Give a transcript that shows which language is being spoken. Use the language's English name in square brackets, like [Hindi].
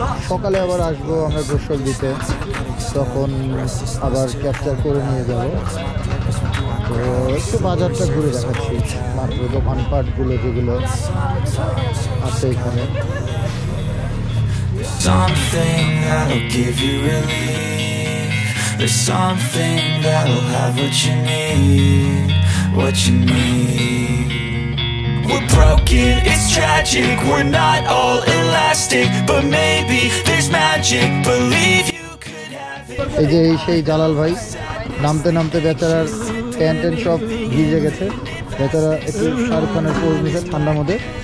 [Bangla] সকালে আবার আসব আমরা গোসল দিতে, তখন আবার ক্যাপচার করে নিয়ে যাব। তো একটু বাজারটা ঘুরে দেখাচ্ছি, মাত্র দোকানপাটগুলো যেগুলো আছে এখানে। [English] Something that'll give you relief. There's something that'll have what you need. What you need. We're broken, it's tragic. We're not all elastic. But maybe there's magic. Believe you could have it. [Bangla] এই যে সেই দালাল ভাই, নামতে নামতে বেচারার canteen সব ভিজে গেছে। বেচারা একটু শারুখানের পোজ নিচ্ছে ঠান্ডার মধ্যে।